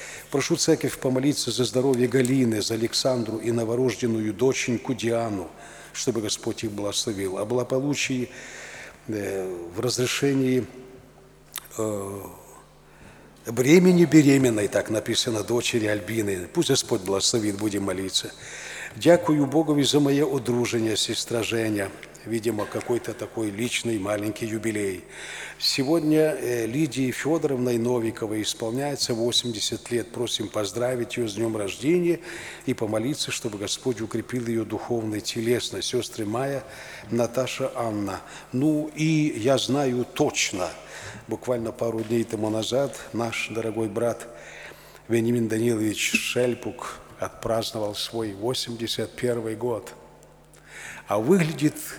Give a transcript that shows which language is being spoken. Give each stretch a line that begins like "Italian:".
Russian: Прошу церковь помолиться за здоровье Галины, за Александру и новорожденную доченьку Диану, чтобы Господь их благословил. О благополучии в разрешении бремени беременной, так написано, дочери Альбины. Пусть Господь благословит, будем молиться.
Ukrainian: Дякую Богу за мое одруження, сестра Женя.
Russian: Видимо, какой-то такой личный маленький юбилей. Сегодня Лидии Федоровной Новиковой исполняется 80 лет. Просим поздравить ее с днем рождения и помолиться, чтобы Господь укрепил ее духовно и телесно. Сестры Майя, Наташа, Анна. Ну и я знаю точно, буквально пару дней тому назад наш дорогой брат Вениамин Данилович Шельпук отпраздновал свой 81-й год. А выглядит...